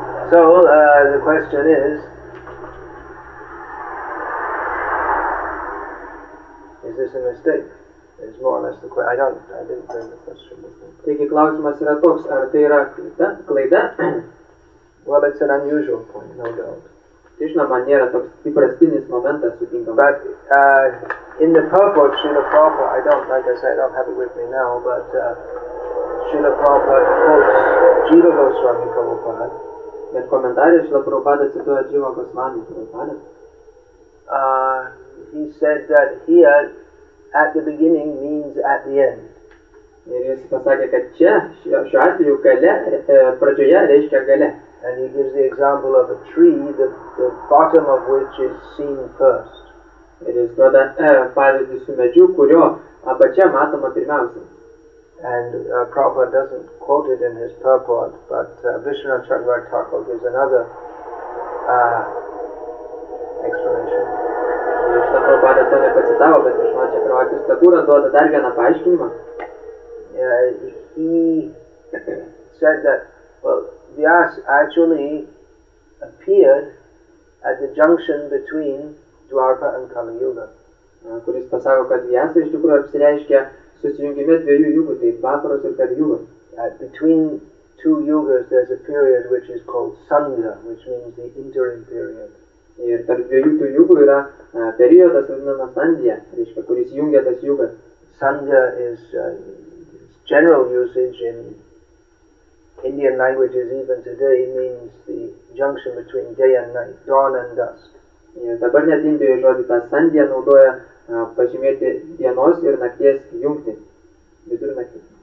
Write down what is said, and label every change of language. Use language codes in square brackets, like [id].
[en] So the question is this a mistake? It's more or less the question. I didn't bring the question with me. [lt] Taigi klausimas yra toks, ar tai yra klaida? [en] Well, it's an unusual point, no doubt. [lt] Žinoma, nėra toks įprastinis momentas sutinkamas. [en] But in the purport, Srila Prabhupada, I don't, like I said, I don't have it with me now, but Srila Prabhupada quotes Jiva Goswami Prabhupada. [lt] Bet komentarė Šila Prabhupada cituoja Jiva Goswami Prabhupada. [en] He said that here, at the beginning, means at the end. [lt] Ir jis pasakė, kad čia, šiuo atveju, gale, pradžioje reiškia gale. [en] And he gives the example of a tree, the bottom of which is seen first. [lt] Ir jis duoda pavyzdį su medžiu, kurio apačia matoma pirmiausia. [en] And Prabhupada doesn't quote it in his purport, but Vishnu Chakravarti Thakur gives another explanation. [lt] Vishnu Prabhupada to nepacitavo, bet Vishnu Chakravarti Thakur duoda dar vieną paaiškinimą. [en] He said that, well, Vyas actually appeared at the junction between Dwarka and Kali Yuga. [lt] Kuris pasako, kad Vyas iš tikrųjų apsireiškia susijungime dviejų jūgų, tai Dvaparos ir Kali Yuga. [en] Between two yugas there's a period which is called Sandha, which means the interim period. [lt] Ir tarp dviejų tų jūgų yra periodas vadinamas Sandhya, reiškia, kuris jungia tas jūgas. [en] Sandha is general usage in Indian languages even today means the junction between day and night, dawn and dusk. [lt] Dabar net Indijoje žodį tą sandhya naudoja pažymėti dienos ir nakties jungtį, vidurnaktį.